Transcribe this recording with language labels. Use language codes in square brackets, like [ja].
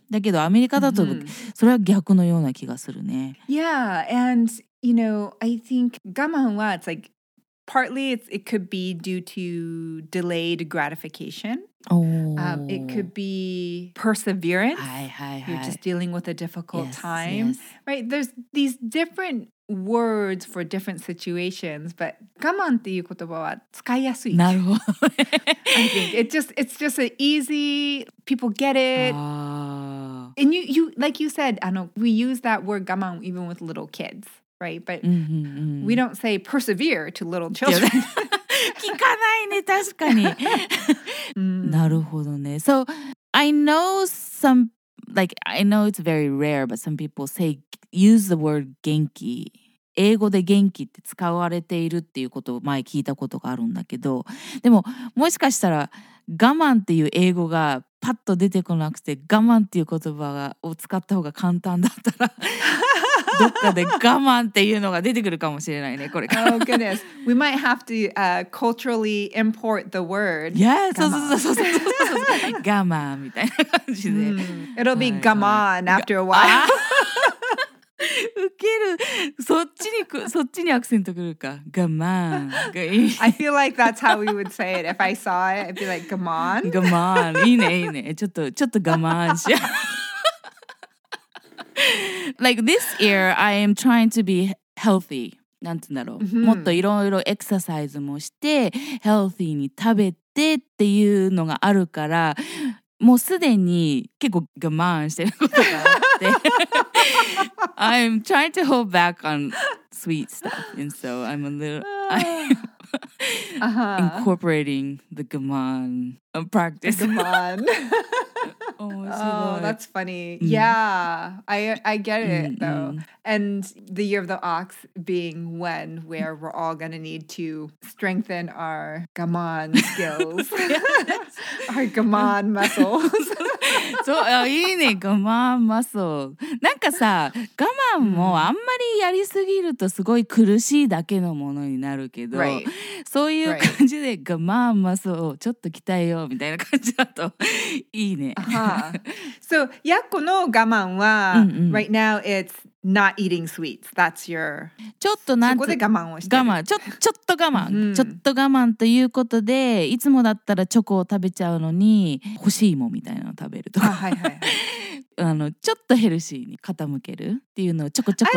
[ja] だけどアメリカだとそれは逆のような気がするね。 [en] Yeah, and you know, I think 我慢は it's like partly it's, it could be due to delayed gratification. It could be perseverance. Hi, hi, hi. You're just dealing with a difficult yes, time. Yes. Right? There's these different words for different situations, but [ja] 我慢っていう言葉は使いやすい。なるほど。 [en] I think it just, it's just an easy, people get it. And you, like you said, we use that word 我慢 even with little kids, right? But we don't say persevere to little children. [ja] 聞かないね、確かに。なるほどね。 [en] So, I know some, like, I know it's very rare, but some people say, use the word 元気。 [ja] 英語で元気って使われているっていうことを前聞いたことがあるんだけど、でも、もしかしたら、我慢っていう英語がパッと出てこなくて、我慢っていう言葉を使った方が簡単だったら、どっかで我慢っていうのが出てくるかもしれないね、これから。 [en] Oh, goodness. We might have to, culturally import the word. [ja] Yeah, そうそうそうそうそう。我慢みたいな感じで。 [en] It'll be 我慢 after a while. [ja] ウケる。そっちにアクセントくるか。我慢。 [en] I feel like that's how we would say it. If I saw it, I'd be like, 我慢。 [ja] 我慢。いいね、いいね。ちょっと我慢しよう。 [en] Like this year, I am trying to be healthy. [ja] なんて言うんだろう。 Mm-hmm. もっといろいろエクササイズもして、healthy に食べてっていうのがあるから、もうすでに結構我慢してることがあって。 [en] I'm trying to hold back on sweet stuff. And so I'm a little... I'm Uh-huh. Incorporating the gamon practice. The gamon. Oh, oh, that's funny. Mm. Yeah, I get it, mm-hmm. though. And the year of the ox being when, where we're all going to need to strengthen our gamon skills. Our gamon muscles. [ja] そう、いいね、我慢マッスル。なんかさ、我慢もあんまりやりすぎるとすごい苦しいだけのものになるけど、 [en] right. [ja] そういう感じで我慢マッスルをちょっと鍛えようみたいな感じだといいね。 [en] Uh-huh. So, [ja] やっこの我慢は、うんうん、 [en] right now it's not eating sweets. That's your... [ja] ちょっとなんそこで我慢をしてる。我慢、ちょっと我慢、うん。ちょっと我慢ということで、いつもだったらチョコを食べちゃうのに、欲しいもんみたいなのを食べると。はいはいはい。あのちょっとヘルシーに傾けるっていうのをちょこちょこ